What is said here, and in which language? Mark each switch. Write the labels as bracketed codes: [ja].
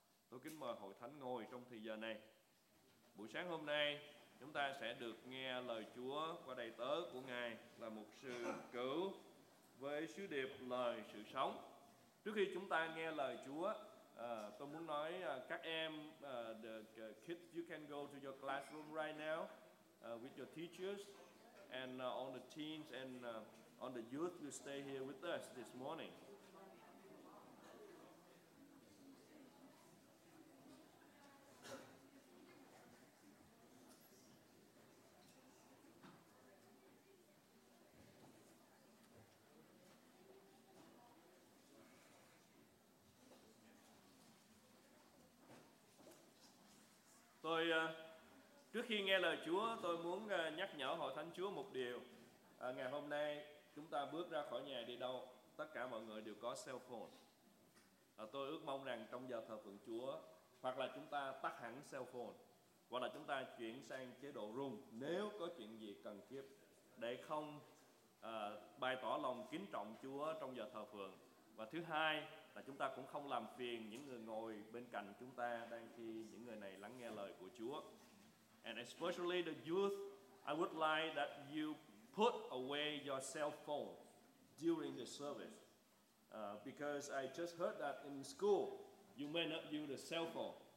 [vi] Tôi kính mời hội thánh ngồi trong thời giờ này. Buổi sáng hôm nay, chúng ta sẽ được nghe lời Chúa qua đầy tớ của Ngài là mục sư Cửu với sứ điệp lời sự sống. Trước khi chúng ta nghe lời Chúa, tôi muốn nói các em, [en] the kids, you can go to your classroom right now. With your teachers and on the teens and on the youth who stay here with us this morning. [vi] Tôi trước khi nghe lời Chúa, tôi muốn nhắc nhở hội thánh Chúa một điều. Ngày hôm nay, chúng ta bước ra khỏi nhà đi đâu, tất cả mọi người đều có cell phone. Tôi ước mong rằng trong giờ thờ phượng Chúa, hoặc là chúng ta tắt hẳn cell phone, hoặc là chúng ta chuyển sang chế độ rung nếu có chuyện gì cần thiết, để không bày tỏ lòng kính trọng Chúa trong giờ thờ phượng. Và thứ hai là chúng ta cũng không làm phiền những người ngồi bên cạnh chúng ta đang khi những người này lắng nghe lời của Chúa. [en] And especially the youth, I would like that you put away your cell phone during the service. Because I just heard that in school, you may not use the cell phone.